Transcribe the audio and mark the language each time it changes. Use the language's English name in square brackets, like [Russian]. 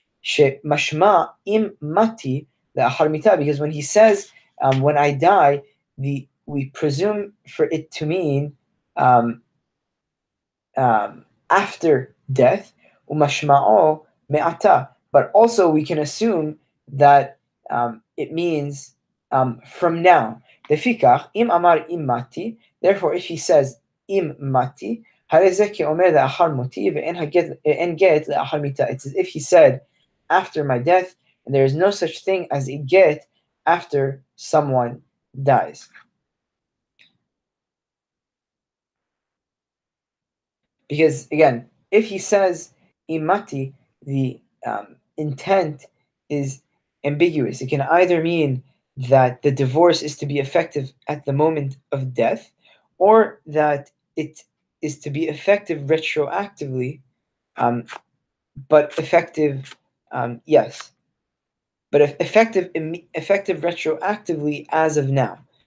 [Hebrew] Shemashma im mati la'achar mita, [English] because when he says when I die, we presume for it to mean after death, [Hebrew] umashma'o me'ata, [English] but also we can assume that it means from now. [Hebrew] Defikach im amar im mati, [English] therefore if he says [Hebrew] im mati, הרי זה כאומר לאחר מותי ואין גט לאחר מיתה. [English] It's as if he said, after my death, and there is no such thing as a get after someone dies. Because, again, if he says imati, the intent is ambiguous. It can either mean that the divorce is to be effective at the moment of death, or that it is to be effective retroactively, but effective, yes, but effective retroactively as of now.